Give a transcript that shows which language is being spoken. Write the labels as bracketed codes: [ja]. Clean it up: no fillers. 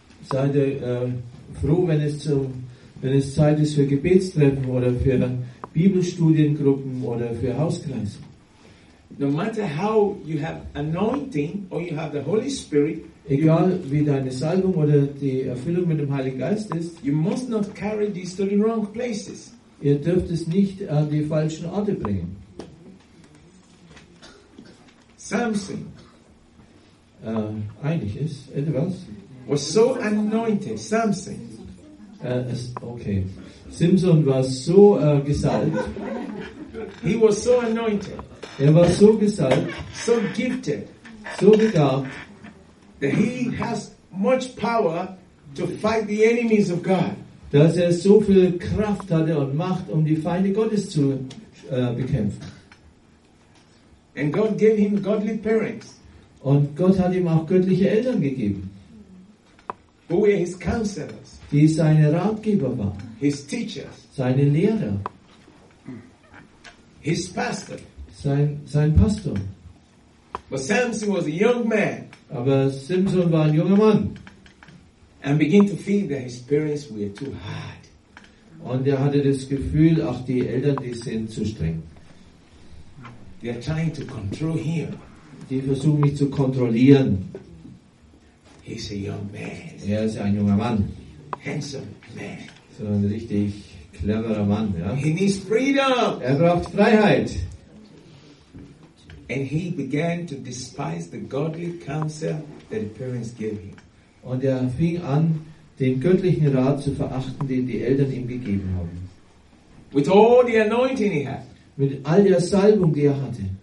[de] Seid ihr froh, wenn es Zeit ist für Gebetstreffen oder für Bibelstudiengruppen oder für Hauskreise? [en] No matter how you have anointing or you have the Holy Spirit, [de] egal wie deine Salbung oder die Erfüllung mit dem Heiligen Geist ist, [en] you must not carry these to the wrong places. [de] Ihr dürft es nicht an die falschen Orte bringen. [en] Samson, [de] eigentlich ist etwas. [en] Was so anointed, Samson. [de] Okay, Simson war so gesalbt. [en] He was so anointed. [de] Er war so gesalbt. [en] So gifted. [de] So begabt. [en] That he has much power to fight the enemies of God. [de] Dass er so viel Kraft hatte und Macht, um die Feinde Gottes zu bekämpfen. [en] And God gave him godly parents. [de] Und Gott hat ihm auch göttliche Eltern gegeben. [en] Who were his counselors? [de] Die seine Ratgeber waren. [en] His teachers. [de] Seine Lehrer. [en] His pastor. [de] Sein Pastor. [en] But Samson was a young man. [de] Aber Simson war ein junger Mann. [en] And begin to feel that his parents were too hard. [de] Und er hatte das Gefühl, ach, die Eltern, die sind zu streng. [en] They are trying to control him. [de] Die versuchen mich zu kontrollieren. [en] He's a young man. [de] Er ist ein junger Mann. [en] Handsome man. [de] So ein richtig cleverer Mann, ja. [en] He needs freedom. [de] Er braucht Freiheit. [en] And he began to despise the godly counsel that the parents gave him. [de] Und er fing an, den göttlichen Rat zu verachten, den die Eltern ihm gegeben haben. [en] With all the anointing he had. [de] Mit all der Salbung, die er hatte.